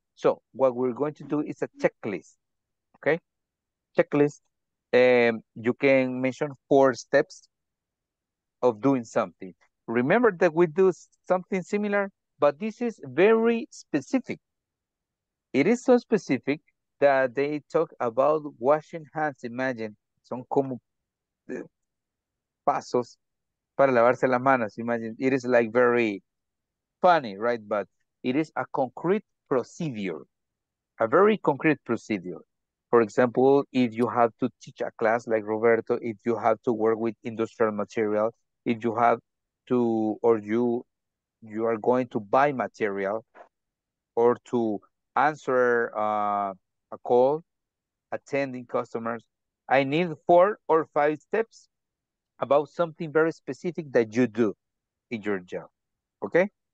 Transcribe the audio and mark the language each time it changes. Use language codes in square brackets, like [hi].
[en] So what we're going to do is a checklist, okay? Checklist. You can mention 4 steps. Of doing something. Remember that we do something similar, but this is very specific. It is so specific that they talk about washing hands. Imagine, [es] son como pasos para lavarse las manos. [en] Imagine, it is like very funny, right? But it is a concrete procedure, a very concrete procedure. For example, if you have to teach a class like Roberto, if you have to work with industrial material, if you have to, or you are going to buy material or to answer a call, attending customers, I need 4 or 5 steps about something very specific that you do in your job, okay?